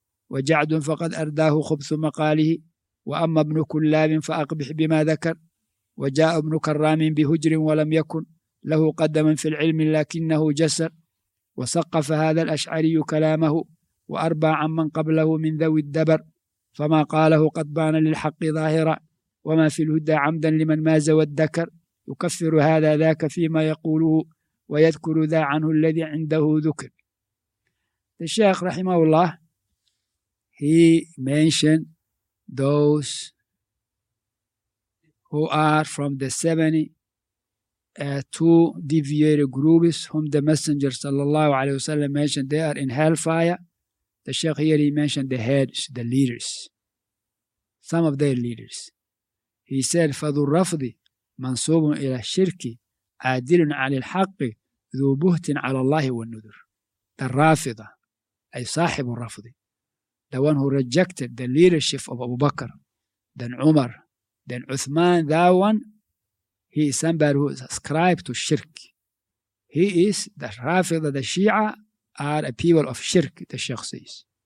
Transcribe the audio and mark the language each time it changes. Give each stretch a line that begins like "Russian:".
Arabic: وجعد فقد أرداه خبث مقاله وأما ابن كلاب فأقبح بما ذكر وجاء ابن كرام بهجر ولم يكن له قدما في العلم لكنه جسر وسقف هذا الأشعري كلامه وأربى عن من قبله من ذوي الدبر فما قاله قد بان للحق ظاهرا وما في الهدى عمدا لمن ماز والذكر يكفر هذا ذاك فيما يقوله ويذكر ذا عنه الذي عنده ذكر.
English: The Shaykh رحمه الله, he mentioned those who are from the 72 deviated groups whom the Messenger sallallahu alayhi wa sallam mentioned they are in hellfire. The Shaykh here, he mentioned the heads, the leaders, some of their leaders. He said,
Arabic: فَذُ الرَّفْضِ مَنْصُوبٌ إِلَى الشِّرْكِ عَادِلٌ عَلِي الْحَقِّ ذُو بُهْتٍ عَلَى اللَّهِ وَالنُّذُرِ.
English: The Rafida,
Arabic: أي صاحب الرَّفْضِ,
English: the one who rejected the leadership of Abu Bakr, then Umar, then Uthman, that one, he is somebody who is ascribed to shirk. He is the Rafida, the Shia are a people of shirk, the Shaykh says.